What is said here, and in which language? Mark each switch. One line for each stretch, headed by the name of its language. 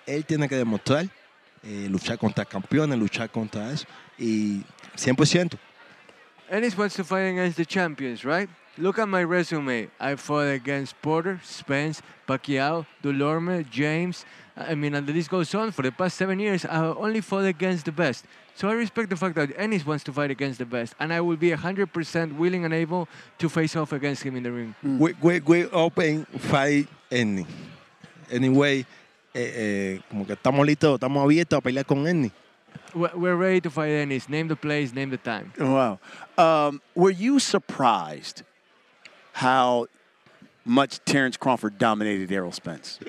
Spanish: Él tiene que demostrar, luchar contra campeones, luchar contra eso. Y 100%.
English: Ennis wants to fight against the champions, right? Look at my resume. I fought against Porter, Spence, Pacquiao, Dulorme, James. I mean, and the list goes on. For the past 7 years, I only fought against the best. So I respect the fact that Ennis wants to fight against the best, and I will be 100% willing and able to face off against him in the ring. Mm. We open fight Ennis.
Spanish: Anyway, como que estamos listos, estamos abiertos a pelear con Ennis.
English: We're ready to fight Ennis. Name the place, name the time. Wow. Were you surprised how much Terence Crawford dominated Errol Spence?